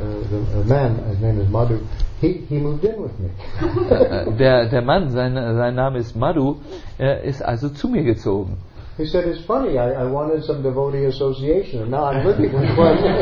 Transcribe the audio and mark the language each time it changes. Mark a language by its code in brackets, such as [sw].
[en] So the man, his name is Madhu, he moved in with me. [de] Der Mann, sein Name ist Madhu, ist also zu mir gezogen. [en] He said, it's funny, I wanted some devotee association, and now I'm living with one.